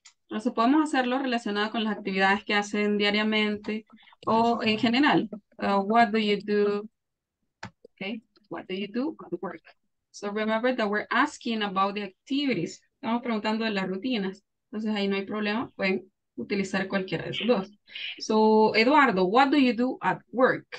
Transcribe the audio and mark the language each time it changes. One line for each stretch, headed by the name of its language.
Spanish: Entonces podemos hacerlo relacionado con las actividades que hacen diariamente o en general.
English: What do you do? Okay, what do you do at work? So remember that we're asking about the activities.
Spanish: Estamos preguntando de las rutinas. Entonces ahí no hay problema, pueden utilizar cualquiera de esos dos.
English: So Eduardo, what do you do at work?